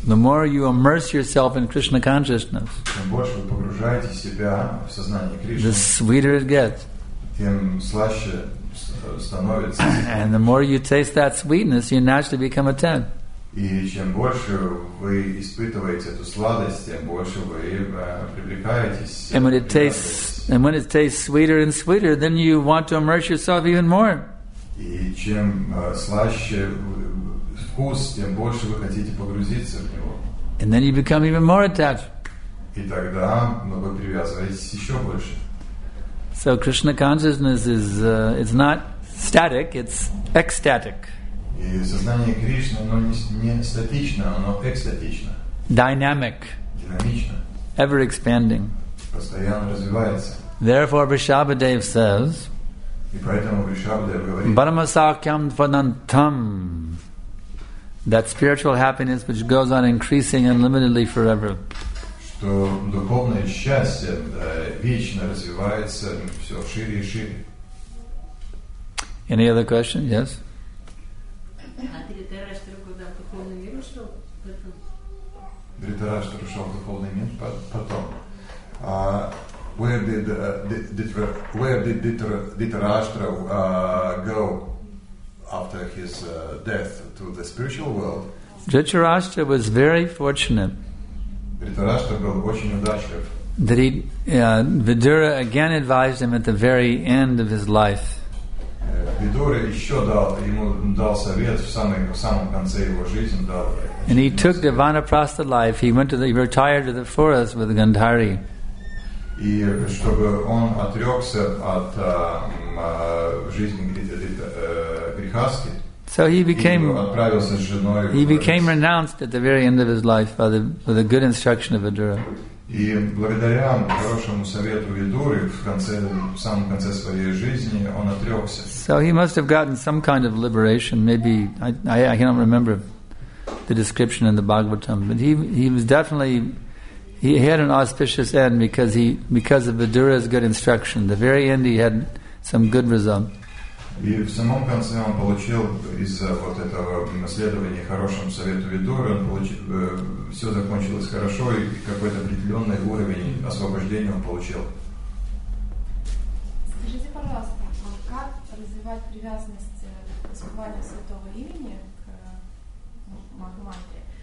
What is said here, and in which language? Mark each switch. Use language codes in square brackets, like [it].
[en] The more you immerse yourself in Krishna consciousness, [ru] чем больше вы погружаете себя в сознание Кришны, [en] the sweeter it gets. [ru] Тем слаще становится. [en] And the more you taste that sweetness, you naturally become attached. [ru] И чем больше вы испытываете эту сладость, тем больше вы привлекаетесь. [en] And when it tastes sweeter and sweeter, then you want to immerse yourself even more. [ru] И чем слаще вкус, тем больше вы хотите погрузиться в него. [en] And then you become even more attached. [ru] И тогда вы привязываетесь еще больше. [en] So Krishna consciousness is it's not static, it's ecstatic. [ru] И сознание Кришны, оно не статично, оно экстатично. [en] Dynamic. [ru] Динамично. [en] Ever expanding. [ru] Постоянно развивается. [en] Therefore, Vrishabhadev says, Brahma Sakyam Vanantam, that spiritual happiness which goes on increasing unlimitedly forever. [ru] Что духовное счастье вечно развивается все шире и шире. [en] Any other question? Yes? [ru] Dhritarashtra ушел в духовный мир, потом. [en] Where did Dhritarashtra go after his death to the spiritual world? Dhritarashtra was very fortunate. [ru] Dhritarashtra был очень удачлив. [en] Vidura again advised him at the very end of his life. [ru] Vidura еще дал совет в самом конце его жизни. [en] And he took the Vanaprastha life. He retired to the forest with Gandhari. [ru] И чтобы он отрекся от жизни грехаски. [en] So he became. [ru] И отправился с женой. [en] He became renounced at the very end of his life by the good instruction of Vidura. [ru] И благодаря хорошему совету Видуры в самом конце своей жизни он отрекся. [en] So he must have gotten some kind of liberation. Maybe I cannot remember the description in the Bhagavatam, but he was definitely. He had an auspicious end because of Vidura's good instruction. The very end, he had some good result. [ru] И в самом конце он получил из вот этого наследования хорошим совету Видуры. Все закончилось хорошо, и какой-то определенный уровень освобождения он получил. Скажите, пожалуйста, а как развивать привязанность к воспеванию святого имени к Махамантре?